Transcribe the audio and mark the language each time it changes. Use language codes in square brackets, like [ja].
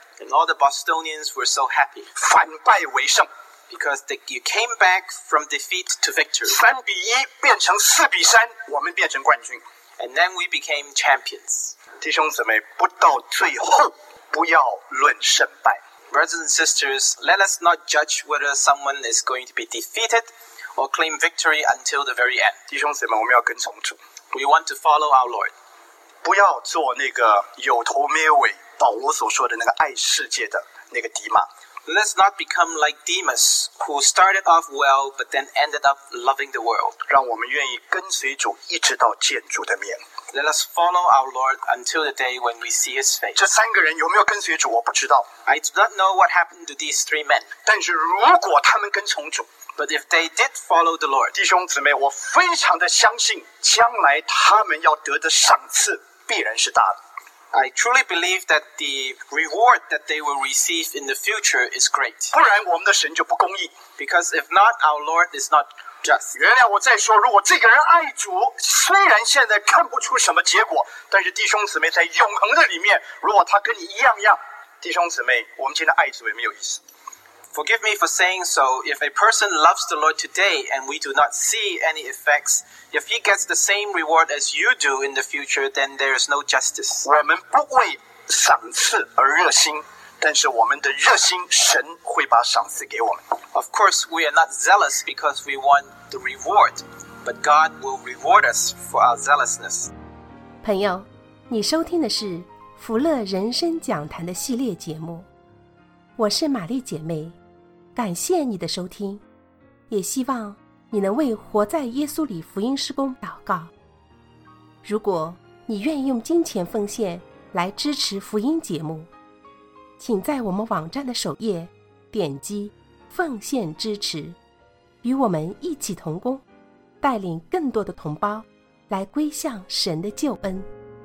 [en] And all the Bostonians were so happy. [zh] 反败为胜 [en] ，because you came back from defeat to victory. [zh] 3-1变成4-3，我们变成冠军。 [en] And then we became champions. [zh] 弟兄姊妹，不到最后，不要论胜败。 [en] Brothers and sisters, let us not judge whether someone is going to be defeated or claim victory until the very end. [zh] 弟兄姊妹，我们要跟从主。 [en] We want to follow our Lord. [zh] 不要做那个有头没有尾，保罗所说的那个爱世界的那个迪马。 [en] Let's not become like Demas, who started off well but then ended up loving the world. [zh] 让我们愿意跟随主，一直到见主的面。 [en] Let us follow our Lord until the day when we see His face. [zh] 这三个人有没有跟随主，我不知道。 [en] I do not know what happened to these three men. [zh] 但是如果他们跟从主 [en] ，But if they did follow the Lord, [zh] 弟兄姊妹，我非常的相信，将来他们要得的赏赐必然是大的。 [en] I truly believe that the reward that they will receive in the future is great. [zh] 不然我们的神就不公义。 [en] Because if not, our Lord is not just. [zh] 原谅我再说，如果这个人爱主，虽然现在看不出什么结果，但是弟兄姊妹在永恒的里面，如果他跟你一样样，弟兄姊妹，我们今天爱主也没有意思。 [en] Forgive me for saying so. If a person loves the Lord today and we do not see any effects, if he gets the same reward as you do in the future, then there is no justice. [zh] 我们不为赏赐而热心，但是我们的热心，神会把赏赐给我们。 [en] Of course, we are not zealous because we want the reward, but God will reward us for our zealousness. [zh] 朋友，你收听的是福乐人生讲坛的系列节目。我是玛丽姐妹，感谢你的收听，也希望你能为活在耶稣里福音施工祷告。如果你愿意用金钱奉献来支持福音节目，请在我们网站的首页点击奉献支持，与我们一起同工，带领更多的同胞来归向神的救恩。